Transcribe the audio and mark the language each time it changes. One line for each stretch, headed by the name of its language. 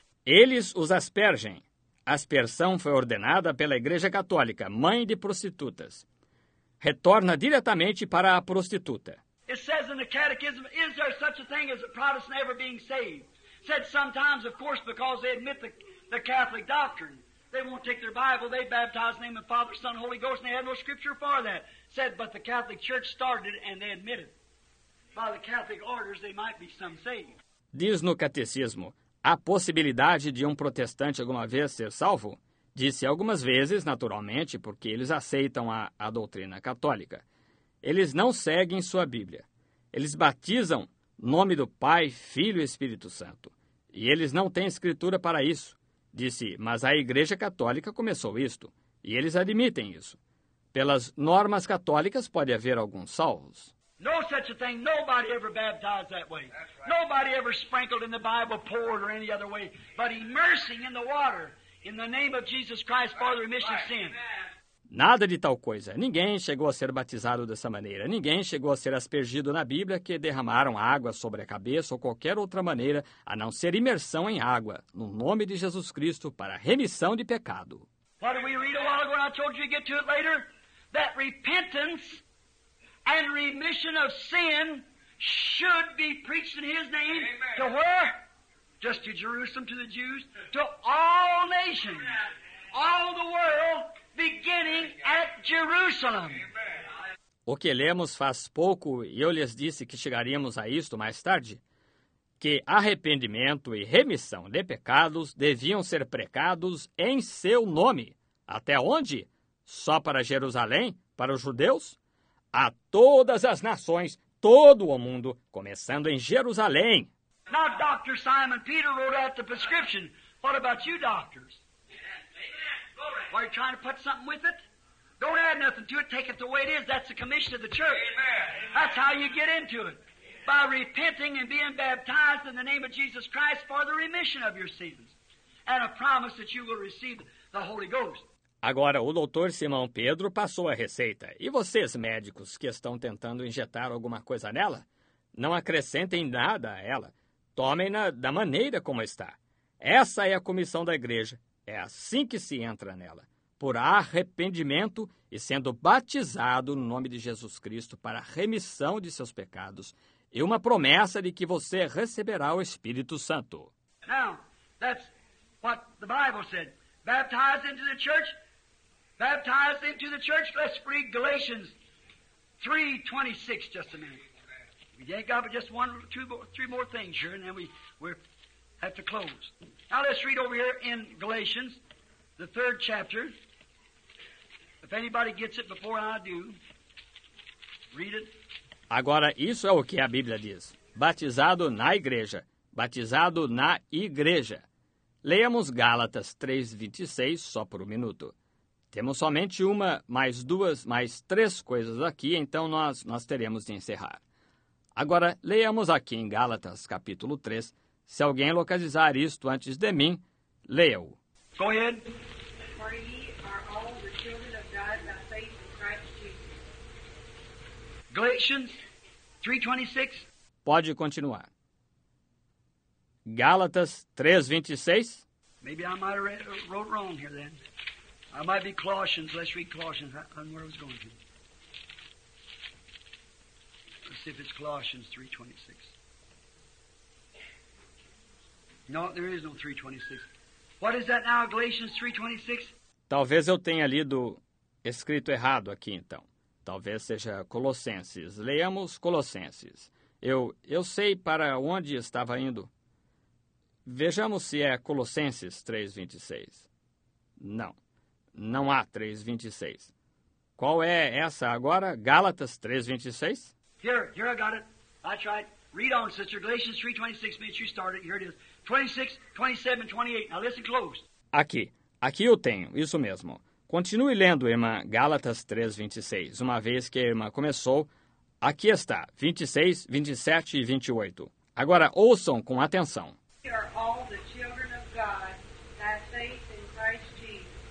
Portuguese: Eles os aspergem. A aspersão foi ordenada pela Igreja Católica, mãe de prostitutas. Retorna diretamente para a prostituta.
English: It says in the catechism, is there such a thing as a Protestant ever being saved? Said sometimes, of course, because they admit the Catholic doctrine. They won't take their Bible, they baptize in the name of Father, Son, Holy Ghost, and they have no scripture for that. Said, but the Catholic Church started it and they admit it. by the Catholic orders, they might be some saved.
Portuguese: Diz no catecismo, há possibilidade de um protestante alguma vez ser salvo? Disse algumas vezes, naturalmente, porque eles aceitam a doutrina católica. Eles não seguem sua Bíblia. Eles batizam nome do Pai, Filho e Espírito Santo. E eles não têm escritura para isso. Disse, mas a Igreja Católica começou isto. E eles admitem isso. Pelas normas católicas pode haver alguns salvos.
English: No such a thing. Nobody ever baptized that way. Right. Nobody ever sprinkled in the Bible, poured or any other way. But immersing in the water in the name of Jesus Christ for the remission of sin.
Portuguese: Nada de tal coisa. Ninguém chegou a ser batizado dessa maneira. Ninguém chegou a ser aspergido na Bíblia que derramaram água sobre a cabeça ou qualquer outra maneira, a não ser imersão em água, no nome de Jesus Cristo, para remissão de pecado.
English: What did we read a while ago when I told you to get to it later? That repentance and remission of sin should be preached in His name. Amen. To where? Just to Jerusalem, to the Jews, to all nations, all the world, beginning at Jerusalem.
Portuguese: O que lemos faz pouco, e eu lhes disse que chegaríamos a isto mais tarde, que arrependimento e remissão de pecados deviam ser pregados em seu nome. Até onde? Só para Jerusalém? Para os judeus? A todas as nações, todo o mundo, começando em Jerusalém.
English: Now, Dr. Simon Peter wrote out the prescription. What about you, doctors? Amen. Are you trying to put something with it? Don't add nothing to it. Take it the way it is. That's the commission of the church. Amen. That's how you get into it. By repenting and being baptized in the name of Jesus Christ for the remission of your sins. And a promise that you will receive the Holy Ghost.
Portuguese: Agora, o doutor Simão Pedro passou a receita. E vocês, médicos, que estão tentando injetar alguma coisa nela? Não acrescentem nada a ela. Tomem-na da maneira como está. Essa é a comissão da igreja. É assim que se entra nela. Por arrependimento e sendo batizado no nome de Jesus Cristo para a remissão de seus pecados e uma promessa de que você receberá o Espírito Santo.
English: Now, that's what the Bible said. Baptized into the church. Baptized into the church. Let's read Galatians 3:26 just a minute. We ain't got but just one, two, three more things here, and then we're at the close. Now let's read over here in Galatians, the third chapter. If anybody gets it before I do, read it.
Portuguese: Agora, isso é o que a Bíblia diz. Batizado na igreja. Batizado na igreja. Leamos Gálatas 3:26 só por um minuto. Temos somente uma, mais duas, mais três coisas aqui, então nós teremos de encerrar. Agora, leamos aqui em Gálatas, capítulo 3. Se alguém localizar isto antes de mim, leia-o.
English: Go ahead. For ye are all the children of God by faith in Christ Jesus. Galatians 3:26.
Portuguese: Pode continuar. Gálatas 3:26.
English: Maybe I might have wrote wrong here then. I might be Colossians. Let's read Colossians. I know where I was going to. See if it's Colossians 3:26. No, there is no 3:26. What is that now, Galatians 3:26?
Portuguese: Talvez eu tenha lido escrito errado aqui, então. Talvez seja Colossenses. Leamos Colossenses. Eu sei para onde estava indo. Vejamos se é Colossenses 3:26. Não, não há 3:26. Qual é essa agora? Gálatas 3:26?
English: Here, I got it. I tried. Read on, sister. Galatians 3:26, minutes you started. Here it is. 26, 27, 28. Now listen close.
Portuguese: Aqui eu tenho. Isso mesmo. Continue lendo, irmã. Gálatas 3:26. Uma vez que a irmã começou, aqui está. 26, 27 e 28. Agora ouçam com atenção.
English: We are all the children of God by faith in Christ Jesus.